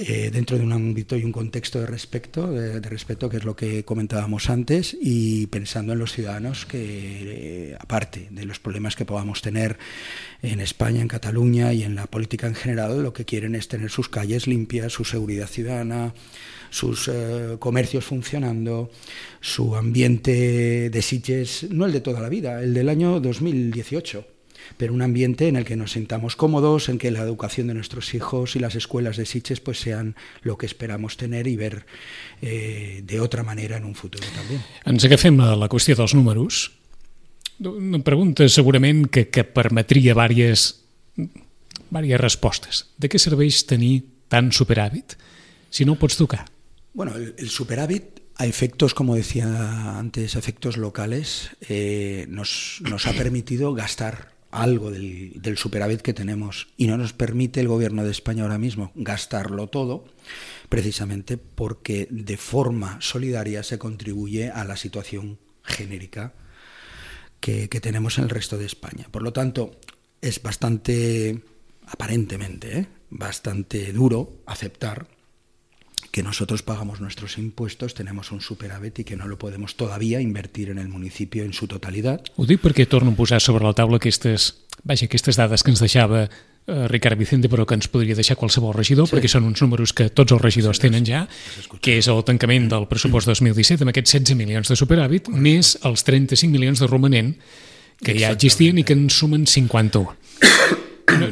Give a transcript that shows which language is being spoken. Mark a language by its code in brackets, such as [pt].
[es] dentro de un ámbito y un contexto de respeto, que es lo que comentábamos antes, y pensando en los ciudadanos que, aparte de los problemas que podamos tener en España, en Cataluña y en la política en general, lo que quieren es tener sus calles limpias, su seguridad ciudadana, sus comercios funcionando, su ambiente de Sitges, no el de toda la vida, el del año 2018. Pero un ambiente en el que nos sintamos cómodos, en que la educación de nuestros hijos y las escuelas de Sitges pues sean lo que esperamos tener y ver de otra manera en un futuro también. [ca] Ens agafem a la qüestió dels números. Una pregunta segurament que permetria diverses respostes. De què serveix tenir tant superàvit si no ho pots tocar? [es] Bueno, el superàvit a efectos, como decía antes, a efectos locales, nos ha permitido gastar algo del superávit que tenemos, y no nos permite el gobierno de España ahora mismo gastarlo todo, precisamente porque de forma solidaria se contribuye a la situación genérica que tenemos en el resto de España. Por lo tanto, es bastante, aparentemente, bastante duro aceptar que nosotros pagamos nuestros impuestos, tenemos un superávit y que no lo podemos todavía invertir en el municipio en su totalidad. [ca] Ho dic perquè torno a posar sobre la taula aquestes dades que ens deixava Ricard Vicente, però que ens podria deixar qualsevol regidor, sí, perquè són uns números que tots els regidors tenen ja, que és el tancament del pressupost 2017 amb aquests 16 milions de superàvit, més els 35 milions de romanent que ja existien i que ens sumen 51.